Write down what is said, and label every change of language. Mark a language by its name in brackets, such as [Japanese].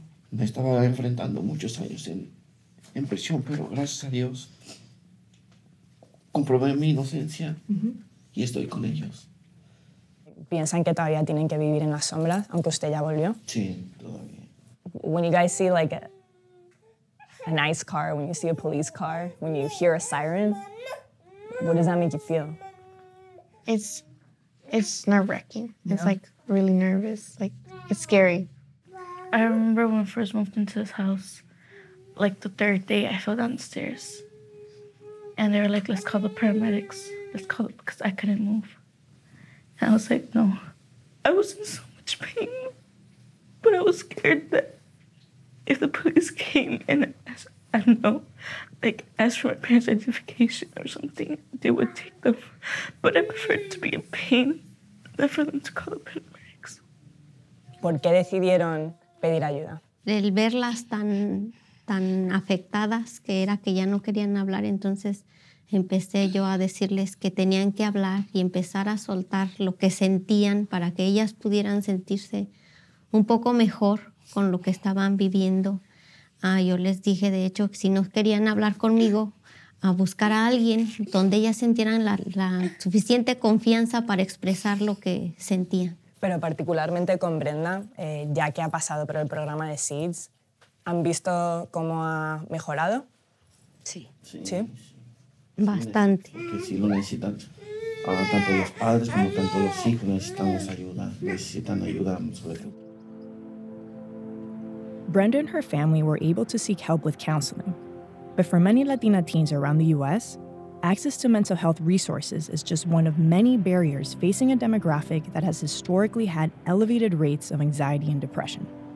[Spanish] Me estaba enfrentando muchos años en prisión, pero gracias a Dios comprobé mi inocencia y estoy con ellos. ¿Piensan que todavía tienen que vivir en las sombras, aunque usted ya volvió? Sí, todavía. [English] When you guys see like a nice car, when you see a police car, when you hear a siren, what does that make you feel? It's nerve-wracking. Yeah. It's like really nervous, like it's scary. I remember when I first moved into this house, like the third day I fell downstairs and they were like, let's call the paramedics. Let's call it because I couldn't move. And I was like, no, I was in so much pain, but I was scared that if the police came and asked, I don't know, like asked for my parents' identification or something, they would take them. But I preferred to be in pain than for them to call the paramedics. [Spanish] ¿Por qué decidieron pedir ayuda? El verlas tan afectadas que era que ya no querían hablar, entonces empecé yo a decirles que tenían que hablar y empezar a soltar lo que sentían para que ellas pudieran sentirse un poco mejor con lo que estaban viviendo. Yo les dije, de hecho, si no querían hablar conmigo, a buscar a alguien donde ellas sintieran la suficiente confianza para expresar lo que sentían. Pero particularmente con Brenda, ya que ha pasado por el programa de SEEDS, ¿han visto cómo ha mejorado? Sí. ¿Sí? Bastante. Porque sí lo necesitan. Tanto los padres como tanto los hijos necesitamos ayuda. Necesitan ayuda, sobre todo. [English] Brenda and her family were able to seek help with counseling. But for many Latina teens around the U.S., access to mental health resources is just one of many barriers facing a demographic that has historically had elevated rates of anxiety and depression.